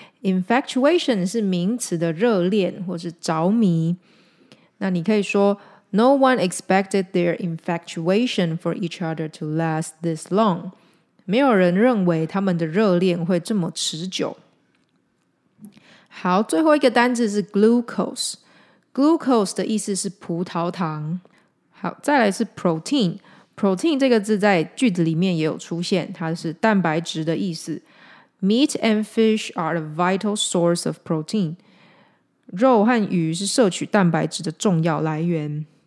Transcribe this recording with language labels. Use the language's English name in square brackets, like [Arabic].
[English] infatuation [Chinese] 是名词的热恋或是着迷，那你可以说 [English] No one expected their infatuation for each other to last this long. [Chinese] 没有人认为他们的热恋会这么持久。好，最后一个单字是 glucose。glucose 的意思是葡萄糖。好，再来是 protein。protein 这个字在句子里面也有出现，它是蛋白质的意思。 [English] Meat and fish are a vital source of protein. [Chinese] 肉和鱼是摄取蛋白质的重要来源。